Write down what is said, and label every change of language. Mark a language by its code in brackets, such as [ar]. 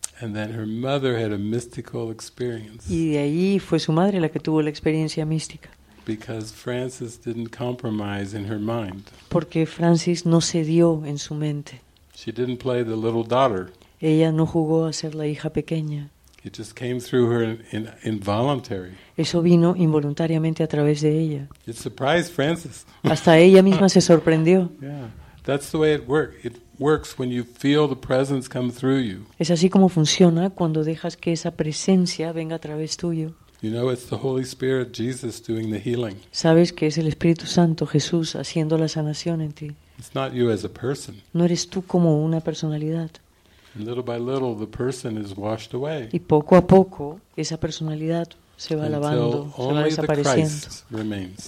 [en] And then her mother had a mystical experience. [es] Y de ahí fue su madre la que tuvo la experiencia mística. [en] Because Frances didn't compromise in her mind. [es] Porque Frances no cedió en su mente. [en] She didn't play the little daughter. [es] Ella no jugó a ser la hija pequeña. [en] It just came through her involuntary. [es] Eso vino involuntariamente a través de ella. [en] It surprised Frances. [es] Hasta ella misma se sorprendió. [en] Yeah, that's the way it works. It works when you feel the presence come through you. [es] Es así como funciona cuando dejas que esa presencia venga a través tuyo. [en] You know, it's the Holy Spirit, Jesus, doing the healing. [es] Sabes que es el Espíritu Santo, Jesús, haciendo la sanación en ti. [en] It's not you as a person. [es] No eres tú como una personalidad. [en] And little by little, the person is washed away. [es] Y poco a poco, esa personalidad se va lavando, se va desapareciendo.